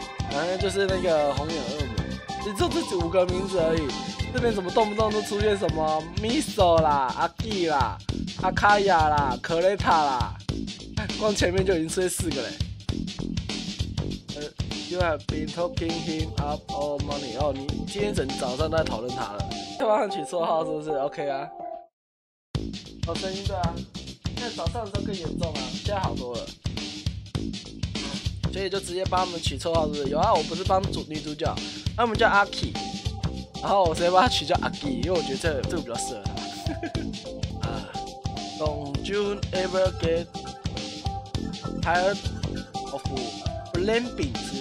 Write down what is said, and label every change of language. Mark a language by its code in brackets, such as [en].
[zh] 反正就是那个红眼恶魔，也就这五个名字而已。这边怎么动不动都出现什么 Miso 啦、阿基啦、阿卡亚啦、克雷塔啦，光前面就已经出现四个嘞。 [en] You have been talking him up all morning。 [zh] 哦，你今天整早上都在讨论他了，要帮他取绰号是不是 ？OK 啊。哦，声音对啊，现在早上的时候更严重啊，现在好多了。所以就直接帮他们取绰号是不是？有啊，我不是帮女主角，他们叫阿基。然后我直接把他取叫阿基，因为我觉得这个比较适合他。 [en] Don't you ever get tired of blaming？